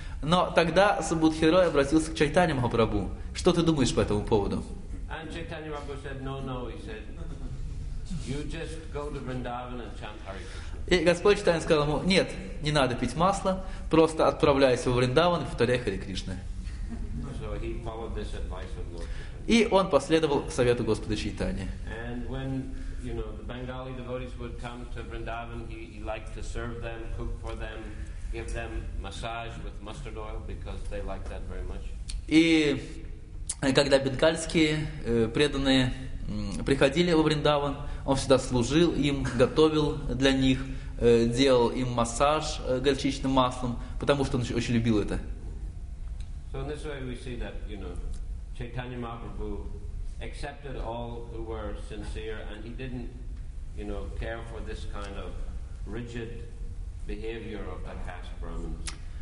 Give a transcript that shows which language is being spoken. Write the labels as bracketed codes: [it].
[ru] Но тогда Субхути Рай обратился к Чайтанья Махапрабху. Что ты думаешь по этому поводу? [en] And Chaitanya Mahaprabhu said, no, he said, you just go to Vrindavan and chant Hare Krishna. [ru] И Господь Чайтанья сказал ему, нет, не надо пить масло, просто отправляйся в Вриндаван и повторяй Харе Кришны. [en] So he followed this advice of Lord. [ru] И он последовал совету Господа Чайтаньи. [en] And when, you know, the Bengali devotees would come to Vrindavan, he liked to serve them, cook for them, give them massage with mustard oil, because they liked that very much. [ru] И когда бенгальские преданные приходили во Вриндаван, он всегда служил им, готовил для них, делал им массаж горчичным маслом, потому что он очень любил это. [en] So in this way we see that, you know, Chaitanya Mahaprabhu accepted all who were sincere, and he didn't, you know, care for this kind of rigid behavior of the caste Brahmins.